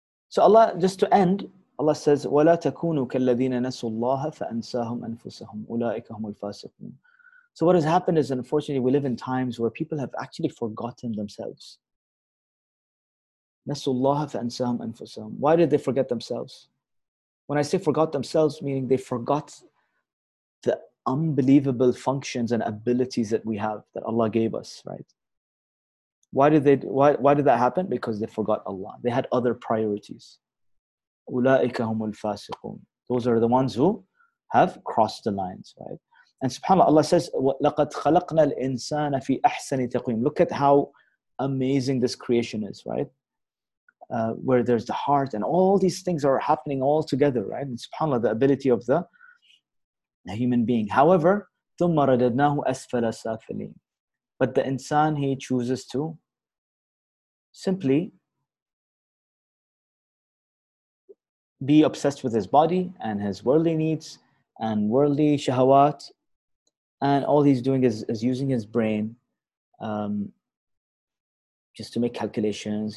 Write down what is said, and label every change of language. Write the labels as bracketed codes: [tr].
[en] So Allah, just to end, Allah says, [ar] وَلَا تَكُونُوا كَالَّذِينَ نَسُوا اللَّهَ فَأَنْسَاهُمْ أَنفُسَهُمْ أُولَٰئِكَ هُمُ الْفَاسِقُونَ. [en] So what has happened is, unfortunately, we live in times where people have actually forgotten themselves. [ar] نَسُوا اللَّهَ فَأَنْسَاهُمْ أَنفُسَهُمْ. [en] Why did they forget themselves? When I say forgot themselves, meaning they forgot the unbelievable functions and abilities that we have, that Allah gave us, right? Why did that happen? Because they forgot Allah. They had other priorities. [ar] أُولَٰئِكَ هُمُ الْفَاسِقُونَ. [en] Those are the ones who have crossed the lines, right? And subhanAllah, Allah says, [ar] لَقَدْ خَلَقْنَا الْإِنسَانَ فِي أَحْسَنِ تَقْوِيمٍ. [en] Look at how amazing this creation is, right? Where there's the heart and all these things are happening all together, right? And subhanAllah, the ability of the human being. However, [ar] ثُمَّ رَدَدْنَاهُ أَسْفَلَ سَافِلِينَ. [en] But the insan, he chooses to simply be obsessed with his body and his worldly needs and worldly shahawat. And all he's doing is using his brain just to make calculations.